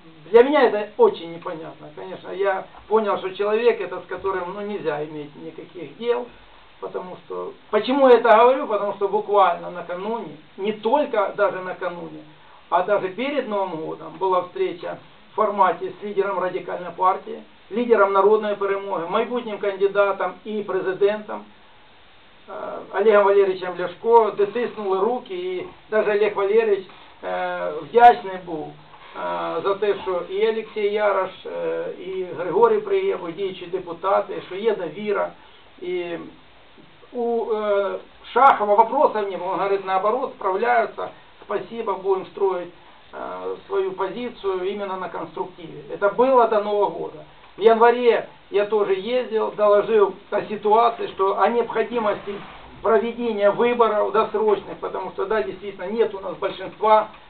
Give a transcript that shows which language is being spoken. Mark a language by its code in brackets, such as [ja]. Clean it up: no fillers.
[ru] Для меня это очень непонятно, конечно. Я понял, что человек это, с которым ну, нельзя иметь никаких дел. Потому что... Почему я это говорю? Потому что буквально накануне, не только даже накануне, а даже перед Новым годом была встреча в формате с лидером радикальной партии, лидером народной перемоги, [uk] майбутнім кандидатом [ru] и президентом Олегом Валерьевичем Ляшко, [uk] де тиснули руки, и даже Олег Валерьевич вдячний був за те, що і Олексій Ярош, і Григорій Пригеба, діючі депутати, що є довіра. [ru] І у Шахова вопросов не було, он говорит, наоборот, справляються, спасибо, будем строить. свою позицию именно на конструктиве. Это было до Нового года. В январе я тоже ездил, доложил о ситуации, что о необходимости проведения выборов досрочных, потому что, да, действительно, нет у нас большинства.